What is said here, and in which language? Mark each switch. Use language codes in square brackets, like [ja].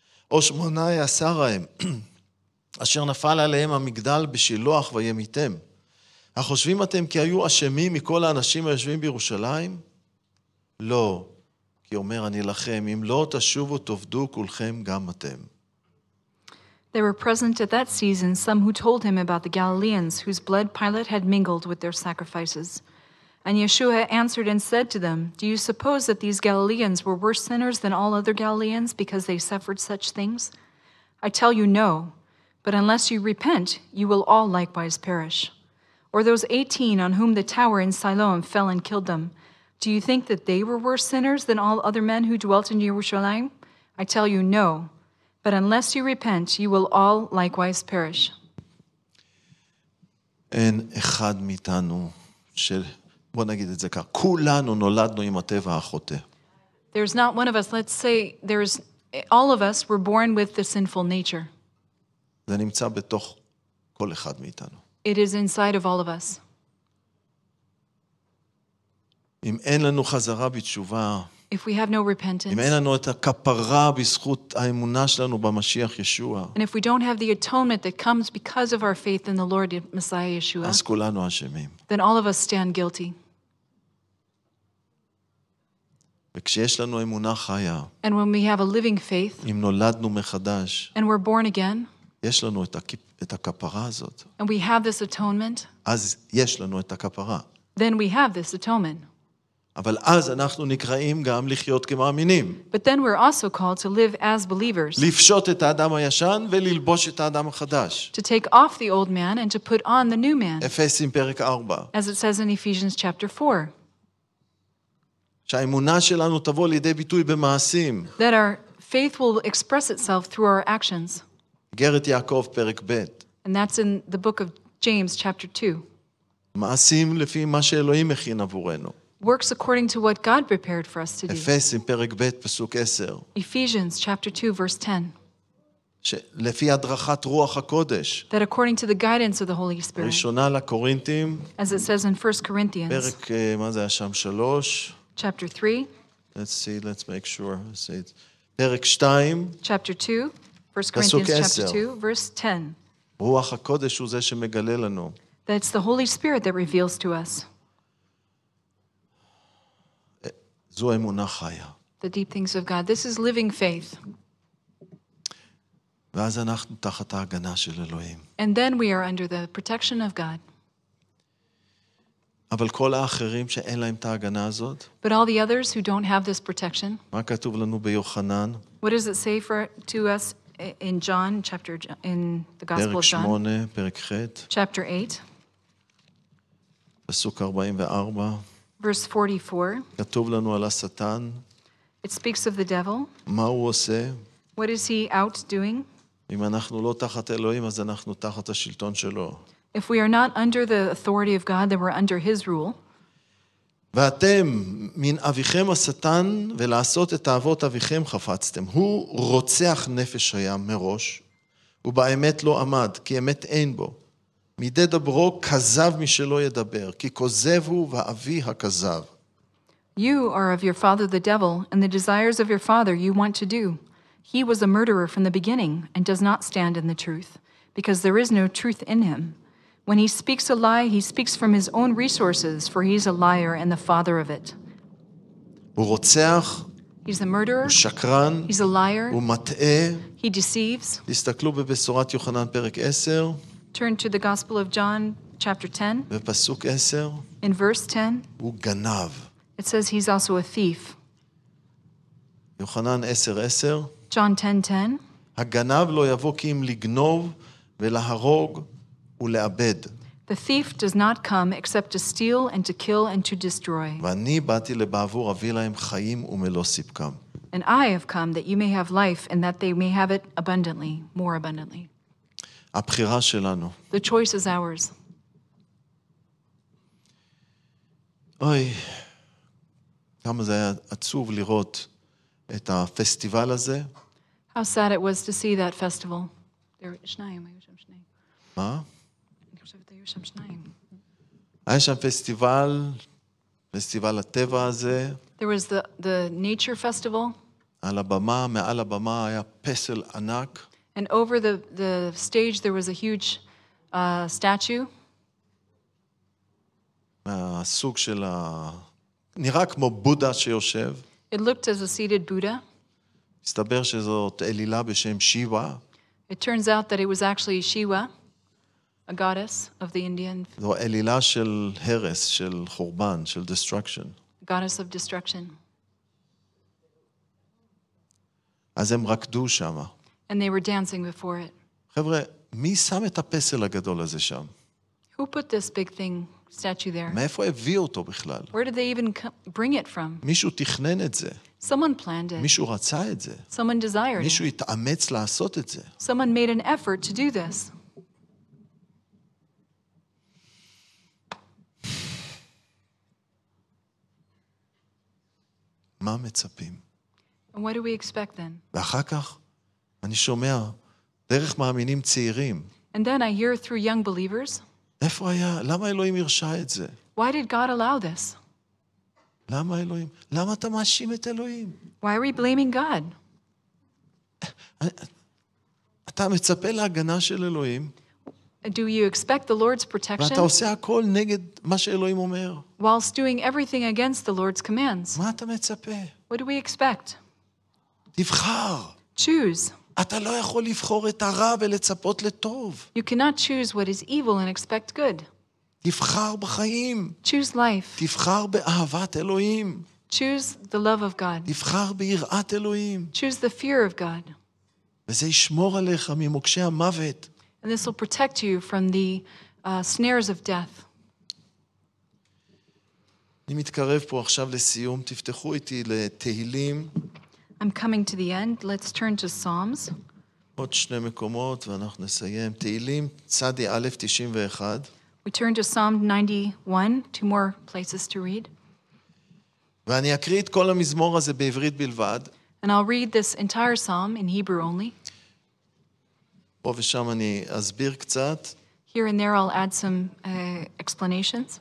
[he] או 18 הם, אשר נפל עליהם המגדל בשילוח וימיתם. החושבים אתם כי היו אשמים מכל האנשים היושבים בירושלים? לא, כי אומר אני לכם, אם לא תשובו, תובדו כולכם גם אתם. [en] There were present at that season some who told him about the Galileans whose blood Pilate had mingled with their sacrifices. And Yeshua answered and said to them, do you suppose that these Galileans were worse sinners than all other Galileans because they suffered such things? I tell you no, but unless you repent, you will all likewise perish. Or those 18 on whom the tower in Siloam fell and killed them, do you think that they were worse sinners than all other men who dwelt in Jerusalem? I tell you no, but unless you repent, you will all likewise perish. [he] אין אחד מאיתנו של... בוא נגיד את זה כך, כולנו נולדנו עם הטבע החוטא. [en] There's not one of us, let's say, there's all of us were born with the sinful nature. [he] זה נמצא בתוך כל אחד מאיתנו. [en] It is inside of all of us. [he] אם אין לנו חזרה בתשובה, [en] If we have no repentance, [he] אם אין לנו את הכפרה בזכות האמונה שלנו במשיח ישוע, [en] And if we don't have the atonement that comes because of our faith in the Lord Messiah Yeshua, [he] אז כולנו אשמים. [en] Then all of us stand guilty. [he] וכשיש לנו אמונה חיה, [en] And when we have a living faith, [he] אם נולדנו מחדש, [en] And we're born again, [he] יש לנו את הכפרה הזאת. [en] And we have this atonement, [he] אז יש לנו את הכפרה. [en] Then we have this atonement. [he] אבל אז אנחנו נקראים גם לחיות כמאמינים. [en] But then we're also called to live as believers. [he] לפשוט את האדם הישן וללבוש את האדם החדש. [en] To take off the old man and to put on the new man. [he] אפסים פרק 4. [en] As it says in Ephesians chapter 4. [he] שהאמונה שלנו תבוא לידי ביטוי במעשים. [en] That our faith will express itself through our actions. [he] גרת יעקב פרק ב'. [en] And that's in the book of James chapter 2. [he] מעשים לפי מה שאלוהים הכין עבורנו. [en] works according to what God prepared for us to do. [he] אפסים פרק ב' פסוק 10. [en] Ephesians chapter 2 verse 10. [he] לפי הדרכת רוח הקודש. [en] That according to the guidance of the Holy Spirit. [he] ראשונה לקורינתים. [en] As it says in 1 Corinthians. [he] פרק מה זה שם 3. [en] Chapter 3. Let's make sure. Let's say it. [he] פרק 2. [en] Chapter 2. 1 Corinthians chapter 2 verse 10. [he] רוח הקודש הוא זה שמגלה לנו. [en] That's the Holy Spirit that reveals to us. [he] זו אמונה חיה. [en] The deep things of God. This is living faith. [he] ואז אנחנו תחת ההגנה של אלוהים. [en] And then we are under the protection of God. [he] אבל כל האחרים שאין להם את ההגנה הזאת? [en] But all the others who don't have this protection? [he] מה כתוב לנו ביוחנן? [en] What does it say to us in John chapter in the Gospel of John? [he] פרק 8, פרק ח'. [en] Chapter 8. [he] פסוק 44. [en] Verse 44. [he] כתוב לנו על השטן. [en] It speaks of the devil. [he] מה הוא עושה? [en] What is he out doing? [he] אם אנחנו לא תחת אלוהים, אז אנחנו תחת השלטון שלו. [en] If we are not under the authority of God, then we're under his rule. [he] ואתם מן אביכם השטן, ולעשות את אהבות אביכם חפצתם. הוא רוצח נפש היה מראש, ובאמת לא עמד, כי אמת אין בו. מידי דברו כזב משלו ידבר, כי כוזב הוא ואבי הכזב. [en] You are of your father the devil, and the desires of your father you want to do. He was a murderer from the beginning and does not stand in the truth, because there is no truth in him. When he speaks a lie, he speaks from his own resources, for he is a liar and the father of it. [he] הוא רוצח. [en] He's a murderer. [he] הוא שקרן. [en] He's a liar. [he] הוא מטעה. [en] He deceives. [he] תסתכלו בבשורת יוחנן פרק 10. [en] Turn to the Gospel of John chapter 10. [he] בפסוק 10. [en] In verse 10. [he] הוא גנב. [en] It says he's also a thief. [he] יוחנן 10 10. [en] John 10:10. [he] הגנב לא יבוא כי אם לגנוב ולהרוג ולאבד. [en] The thief does not come except to steal and to kill and to destroy. [he] ואני באתי לבעבור אבי להם חיים ומלוא סיפקם. [en] And I have come that you may have life and that they may have it abundantly, more abundantly. [he] הבחירה שלנו. [en] The choice is ours. [he] אוי, כמה זה היה עצוב לראות את הפסטיבל הזה. [en] How sad it was to see that festival. There were [he] שניים, היו שם שניים. מה? אני חושבת היו שם שניים. היה שם פסטיבל, פסטיבל הטבע הזה. [en] There was the nature festival. [he] על הבמה, מעל הבמה היה פסל ענק. [en] And over the stage there was a huge statue. [he] הסוג של ה... נראה כמו בודה שיושב. [en] It looked as a seated Buddha. [he] הסתבר שזאת אלילה בשם שיבה. [en] It turns out that it was actually Shiva, a goddess of the Indian. [he] זו אלילה של הרס, של חורבן, של [en] destruction. Goddess of destruction. [he] אז הם רקדו שמה. [en] And they were dancing before it. [he] חבר'ה, מי שם את הפסל הגדול הזה שם? [en] Who put this big thing? Statue there. [he] מאיפה הביא אותו בכלל? [en] Where did they even bring it from? [he] מישהו תכנן את זה. [en] Someone planned it. [he] מישהו רצה את זה. [en] Someone desired it. [he] מישהו התאמץ לעשות את זה. [en] Someone made an effort to do this. [he] מה מצפים? [en] And what do we expect then? [he] ואחר כך אני שומע דרך מאמינים צעירים. [en] And then I hear through young believers. [he] איפה היה? למה אלוהים הרשה את זה? [en] Why did God allow this? [he] למה אלוהים? למה אתה מאשים את אלוהים? [en] Why are we blaming God? [he] אתה מצפה להגנה של אלוהים? [en] Do you expect the Lord's protection? [he] ואתה עושה הכל נגד מה שאלוהים אומר. [en] Whilst doing everything against the Lord's commands. [he] מה אתה מצפה? [en] What do we expect? [he] תבחר. [en] Choose. [he] אתה לא יכול לבחור את הרע ולצפות לטוב. [en] You cannot choose what is evil and expect good. [he] תבחר בחיים. [en] Choose life. [he] תבחר באהבת אלוהים. [en] Choose the love of God. [he] תבחר ביראת אלוהים. [en] Choose the fear of God. [he] וזה ישמור עליך ממוקשי המוות. [en] And this will protect you from the snares of death. [he] אני מתקרב פה עכשיו לסיום, תפתחו איתי לתהילים. [en] I'm coming to the end. Let's turn to Psalms. [he] עוד שני מקומות ואנחנו נסיים. תהילים, צדי א', 91. [en] We turn to Psalm 91, two more places to read. [he] ואני אקריא את כל המזמור הזה בעברית בלבד. [en] And I'll read this entire psalm in Hebrew only. [he] פה ושם אני אסביר קצת. [en] Here and there I'll add some explanations.